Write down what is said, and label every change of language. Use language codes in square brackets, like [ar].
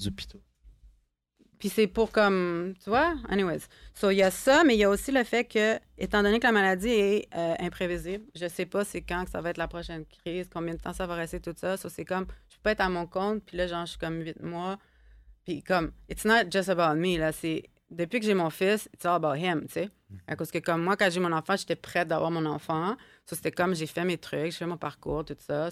[fr] D'hôpitaux. Puis c'est pour comme, tu vois, anyways. So, il y a ça, mais il y a aussi le fait que, étant donné que la maladie est imprévisible, je sais pas c'est quand que ça va être la prochaine crise, combien de temps ça va rester, tout ça. So, c'est comme, je peux pas être à mon compte, puis là, genre, je suis comme 8 mois. Puis comme, [en] it's not just about me, là. [fr] C'est, depuis que j'ai mon fils, [en] it's all about him, [fr] tu sais. À cause que comme moi, quand j'ai mon enfant, j'étais prête d'avoir mon enfant. So, c'était comme, j'ai fait mes trucs, j'ai fait mon parcours, tout ça.